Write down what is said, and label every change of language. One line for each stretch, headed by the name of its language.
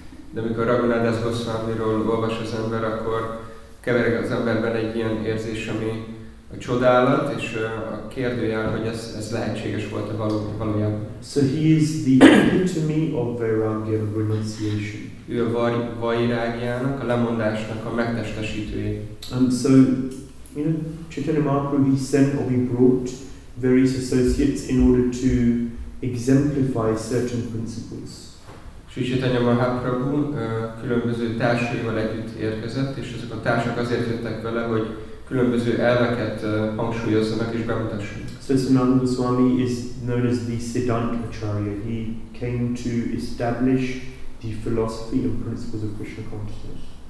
Hungarian: De amikor Raghunath Das Goswamiról olvas az ember, akkor kevereg az emberben egy ilyen érzés, ami a csodálat és a kérdőjel, hogy ez lehetséges volt a valójában.
English: So he is the epitome of Vairagya renunciation.
Hungarian: Ő a vairágyának, a lemondásnak a megtestesítője.
English: And so, you know, Chaitanya Mahaprabhu, he sent or he brought various associates in order to exemplify certain principles.
Hungarian: Sri Chaitanya Mahaprabhu különböző társaival együtt érkezett, és ezek a társak azért jöttek vele, hogy különböző elveket hangsúlyozzanak és bemutassanak.
English: So Sanatana Goswami is known as the Siddhanta Acharya. He came to establish the philosophy and principles of Krishna consciousness.